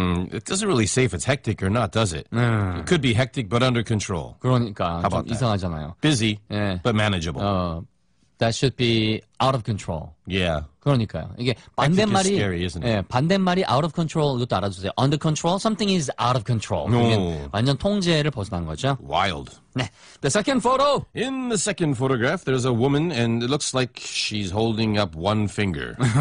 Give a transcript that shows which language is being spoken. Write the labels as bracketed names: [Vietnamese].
[English] It doesn't really say if it's hectic or not, does it? It could be hectic but under control. [Korean] 그러니까 좀 이상하잖아요. [English] Busy but manageable. That should be out of control. Yeah. [Korean] 그러니까요. 이게 반대말이 [English] scary, isn't it? [Korean] 예, 반대말이 [English] out of control [Korean] 이것도 알아주세요. [English] Under control, something is out of control. No. [Korean] 완전 통제를 벗어난 거죠. [English] Wild. [Korean] 네. [English] The second photo. In the second photograph, there's a woman and it looks like she's holding up one finger.